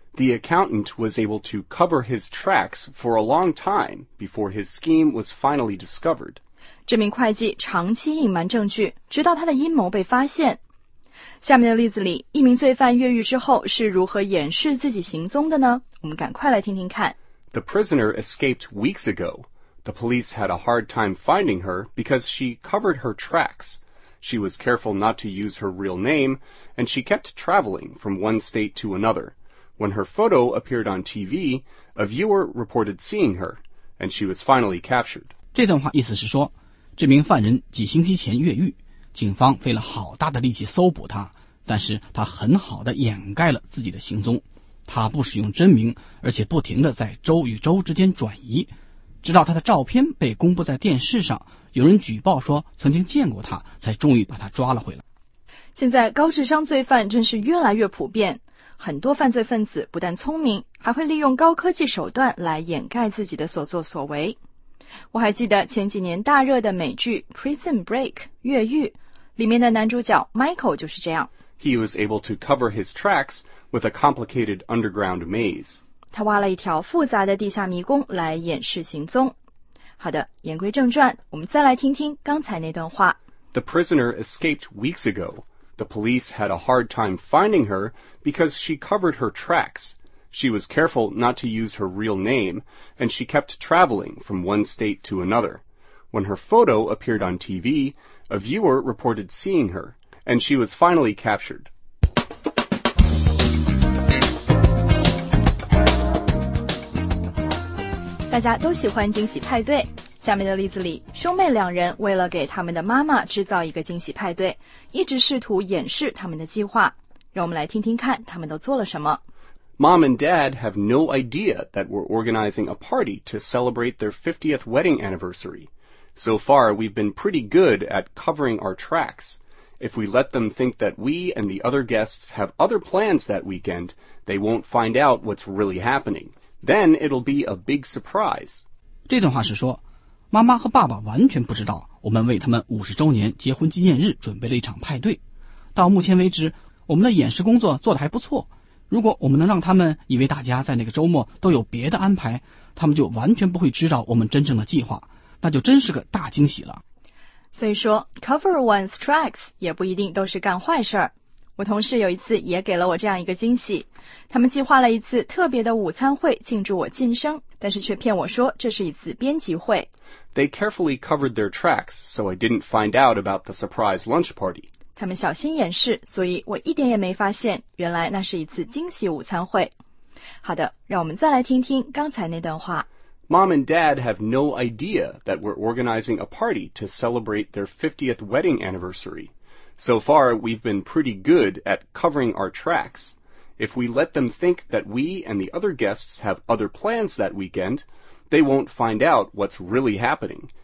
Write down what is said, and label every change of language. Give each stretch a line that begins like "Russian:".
English: The accountant was able to cover his tracks for a long time before his scheme was finally discovered.
Chinese: 这名会计长期隐瞒证据，直到他的阴谋被发现。下面的例子里，一名罪犯越狱之后是如何掩饰自己行踪的呢？我们赶快来听听看。
English: The prisoner escaped weeks ago. The police had a hard time finding her because she covered her tracks. She was careful not to use her real name, and she kept traveling from one state to another. When her photo appeared on TV, a viewer reported seeing her, and she was finally captured.
Chinese: 这段话意思是说，这名犯人几星期前越狱，警方费了好大的力气搜捕他，但是他很好地掩盖了自己的行踪。他不使用真名，而且不停地在州与州之间转移，直到他的照片被公布在电视上，有人举报说曾经见过他，才终于把他抓了回来。现在高智商罪犯真是越来越普遍。很多犯罪分子不但聪明，还会利用高科技手段来掩盖自己的所作所为。我还记得前几年大热的美剧《Prison Break》越狱，里面的男主角 Michael 就是这样。
English: He was able to cover his tracks with a complicated underground maze.
Chinese: 他挖了一条复杂的地下迷宫来掩饰行踪。好的，言归正传，我们再来听听刚才那段话。
English: The prisoner escaped weeks ago. The police had a hard time finding her because she covered her tracks. She was careful not to use her real name, and she kept traveling from one state to another. When her photo appeared on TV, a viewer reported seeing her, and she was finally captured. Everyone loves
Chinese: 惊喜派对。下面的例子里，兄妹两人为了给他们的妈妈制造一个惊喜派对，一直试图掩饰他们的计划。让我们来听听看他们都做了什么。
English: Mom and Dad have no idea that we're organizing a party to celebrate their 50th wedding anniversary. So far, we've been pretty good at covering our tracks. If we let them think that we and the other guests have other plans that weekend, they won't find out what's really happening. Then it'll be a big surprise.
Chinese: 这段话是说，妈妈和爸爸完全不知道我们为他们50周年结婚纪念日准备了一场派对。到目前为止，我们的掩饰工作做得还不错。如果我们能让他们以为大家在那个周末都有别的安排，他们就完全不会知道我们真正的计划，那就真是个大惊喜了。所以说
English: cover one's tracks
Chinese: 也不一定都是干坏事儿。我同事有一次也给了我这样一个惊喜，他们计划了一次特别的午餐会庆祝我晋升，但是却骗我说这是一次编辑会。
English: They carefully covered their tracks, so I didn't find out about the surprise lunch party.
Chinese: 他们小心掩饰，所以我一点也没发现，原来那是一次惊喜午餐会。好的，让我们再来听听刚才那段话。
English: Mom and Dad have no idea that we're organizing a party to celebrate their 50th wedding anniversary. So far, we've been pretty good at covering our tracks. If we let them think that we and the other guests have other plans that weekend, they won't find out what's really happening.